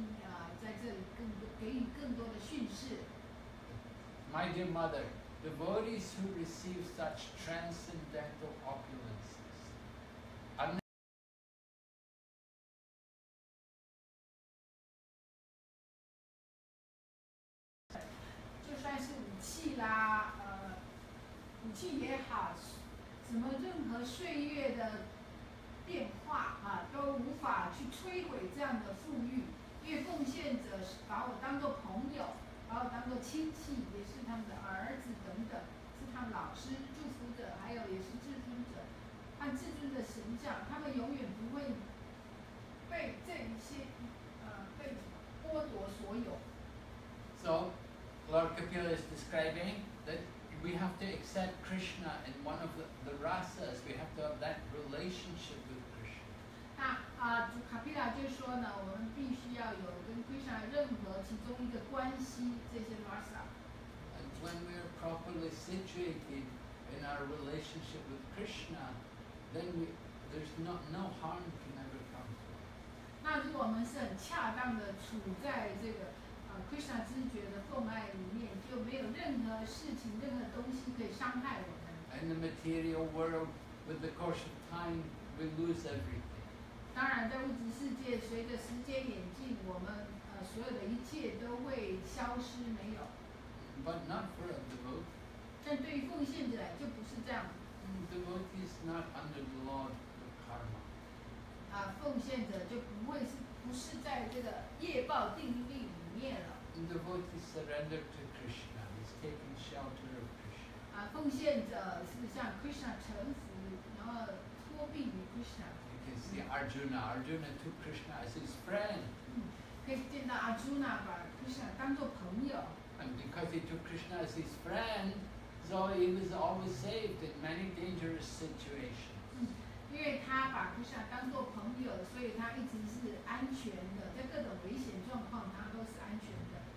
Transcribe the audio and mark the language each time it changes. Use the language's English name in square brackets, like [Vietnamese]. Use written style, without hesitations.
[Chinese] 那就卡比拉对他的母亲在这里给予更多的训示。 [English] My dear mother, devotees who receive such transcendental opulences are never. [Chinese] 就算是武器啦，武器也好，什么任何岁月的变化啊，都无法去摧毁这样的富裕，因为奉献者把我当做朋友。把我当做亲戚，也是他们的儿子等等，是他们老师、祝福者，还有也是至尊者，按至尊的。想他们永远不会被这一些被剥夺所有。 [English] So, Lord Kapila is describing that we have to accept Krishna in one of the rasas. We have to have that relationship with Krishna. [Chinese] 那啊，卡皮拉就说呢，我们必须要有跟 Krishna 任何其中一个关系，这些 rasa。 [English] And when we are properly situated in our relationship with Krishna, then there's no harm can ever come to us. [Chinese] 那如果我们是很恰当的处在这个Krishna 知觉的奉爱里面，就没有任何事情、任何东西可以伤害我们。 [English] In the material world, with the course of time, we lose everything. [Chinese] 当然，在物质世界，随着时间演进，我们所有的一切都会消失，没有。 [English] But not for a devotee. [Chinese] 但对于奉献者来，就不是这样。 [English] Devotee is not under the law of karma. [Chinese] 奉献者就不会是不是在这个业报定律。 [English] The devotee surrendered to Krishna. He's taking shelter of Krishna. [Chinese] 奉献者是向 Krishna 臣服，然后托庇于 Krishna. [English] You can see Arjuna. Arjuna took Krishna as his friend. [Chinese] 可以见到 Arjuna 把 Krishna 当作朋友。 [English] And because he took Krishna as his friend, so he was always saved in many dangerous situations. [Chinese] 因为他把 Krishna 当作朋友，所以他一直是安全的，在各种危险状况，他都是安全的。